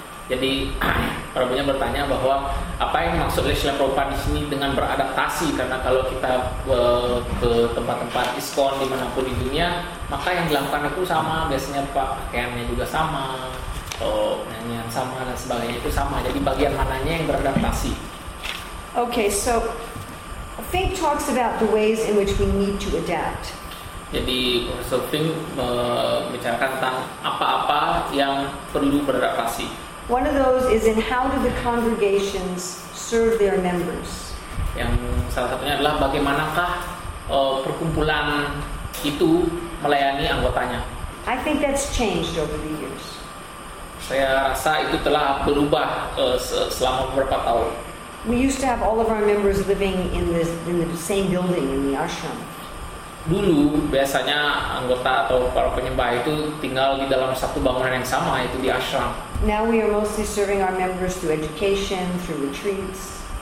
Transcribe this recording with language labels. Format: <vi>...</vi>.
<id>Jadi Prabhupada bertanya bahwa apa yang maksud oleh Srila Prabhupada di sini dengan beradaptasi, karena kalau kita ke tempat-tempat ISKCON dimanapun di dunia, maka yang dilakukan itu sama, biasanya pakaiannya juga sama, nyanyian sama dan sebagainya itu sama. Jadi bagian mananya yang beradaptasi?</id> <en>Okay, so Fink talks about the ways in which we need to adapt.</en> <id>Jadi Professor Fink membicarakan tentang apa-apa yang perlu beradaptasi.</id> <en>One of those is in how do the congregations serve their members.</en> <id>Yang salah satunya adalah bagaimanakah perkumpulan itu melayani anggotanya.</id> <en>I think that's changed over the years.</en> <id>Saya rasa itu telah berubah selama beberapa tahun.</id> <en>We used to have all of our members living in the same building in the ashram.</en> <id>Dulu biasanya anggota atau para penyembah itu tinggal di dalam satu bangunan yang sama, itu di ashram.</id> <en>Now we are mostly serving our members through education, through retreats.</en>